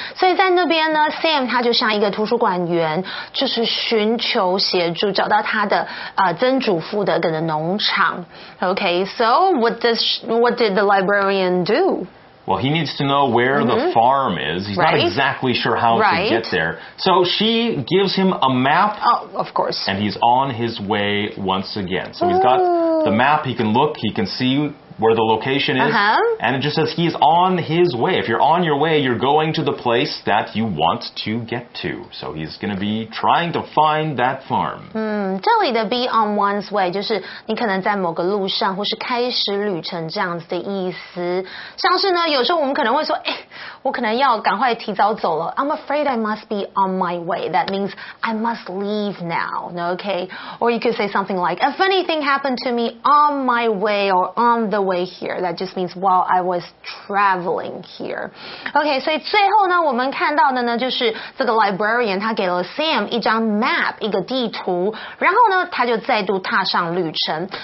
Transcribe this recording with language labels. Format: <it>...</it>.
<zh>所以在那边呢 Sam 他就像一个图书馆员就是寻求协助找到他的曾祖父的可能农场。</zh> <en>Okay, so what did the librarian do? Well, he needs to know where the farm is. He's not exactly sure how to get there. So she gives him a map. Oh, of course. And he's on his way once again. So he's got the map. He can look. He can see where the location is. Uh-huh. And it just says he's on his way. If you're on your way, you're going to the place that you want to get to. So he's going to be trying to find that farm.</en> <zh>这里的</zh> <en>be on one's way</en> <zh>就是你可能在某个路上或是开始旅程这样子的意思。像是呢有时候我们可能会说哎，我可能要赶快提早走了。</zh> <en>I'm afraid I must be on my way. That means I must leave now. Okay? Or you could say something like, a funny thing happened to me on my way or on the way here. That just means while I was traveling here.</en> <zh>Okay, 所以最后呢我们看到的呢就是这个 librarian 他给了 Sam 一张 map, 一个地图然后呢他就再度踏上旅程。</zh>